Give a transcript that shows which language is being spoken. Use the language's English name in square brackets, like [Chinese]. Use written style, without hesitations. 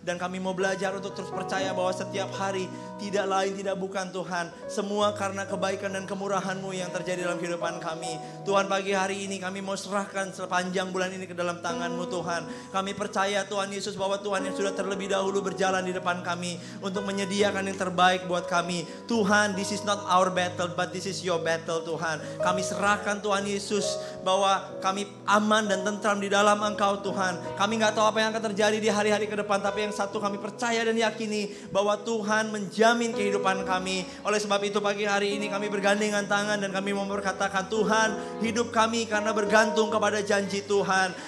[Indonesian] Dan kami mau belajar untuk terus percaya bahwa setiap hari, tidak lain tidak bukan Tuhan, semua karena kebaikan dan kemurahan-Mu yang terjadi dalam kehidupan kami. Tuhan, pagi hari ini kami mau serahkan sepanjang bulan ini ke dalam tangan-Mu Tuhan. Kami percaya Tuhan Yesus bahwa Tuhan yang sudah terlebih dahulu berjalan di depan kami untuk menyediakan yang terbaik buat kami. [English] Tuhan, this is not our battle, but this is Your battle, Tuhan. [Indonesian] Kami serahkan Tuhan Yesus bahwa kami aman dan tentram di dalam Engkau, Tuhan. Kami gak tahu apa yang akan terjadi di hari-hari ke depan, tapi yang satu kami percaya dan yakini bahwa Tuhan menjamin kehidupan kami. Oleh sebab itu pagi hari ini kami bergandengan tangan dan kami mau berkatakan, Tuhan, hidup kami karena bergantung kepada janji Tuhan.